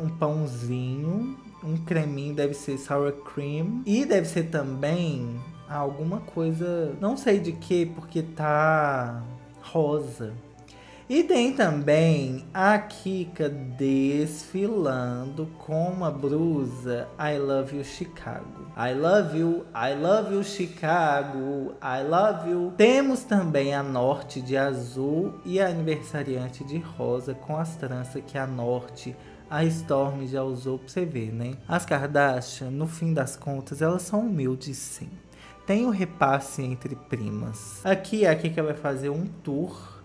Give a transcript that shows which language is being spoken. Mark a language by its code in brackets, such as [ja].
[pt] Um pãozinho. Um creminho, deve ser sour cream. E deve ser também... alguma coisa... não sei de que, porque tá rosa. E tem também a Kika desfilando com uma blusa I Love You Chicago. [en] I love you, I love you Chicago, I love you. [pt] Temos também a Norte de azul e a aniversariante de rosa com as tranças que a Norte... a Storm já usou pra você ver, né? As Kardashian, no fim das contas, elas são humildes, sim. Tem o repasse entre primas. Aqui é a Kika vai fazer um tour.